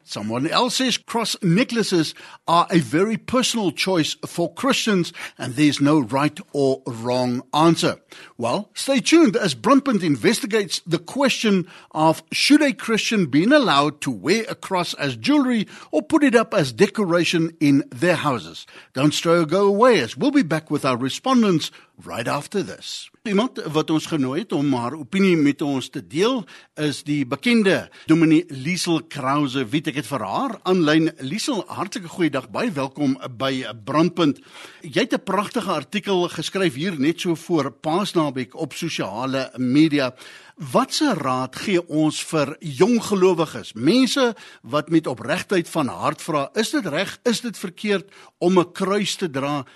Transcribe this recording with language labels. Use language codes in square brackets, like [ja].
[en] Someone else says cross necklaces are a very personal choice for Christians and there's no right or wrong answer. Well, stay tuned as Brumpant investigates the question of should a Christian be allowed to wear a cross as jewelry or put it up as decoration in their houses. Don't stray or go away as we'll be back with our respondents right after this. [af] Iemand wat ons genooi het om haar opinie met ons te deel is die bekende Dominee Liesel Krause. Wie ek het vir haar aanlyn. Liesel, hartlike goeiedag, baie welkom by Brandpunt. Jy het 'n pragtige artikel geskryf hier net so voor Paasnaweek op sosiale media. Watse raad gee ons vir jong gelowiges, mense wat met opregtheid van hart vra, is dit reg, is dit verkeerd om 'n kruis te dra?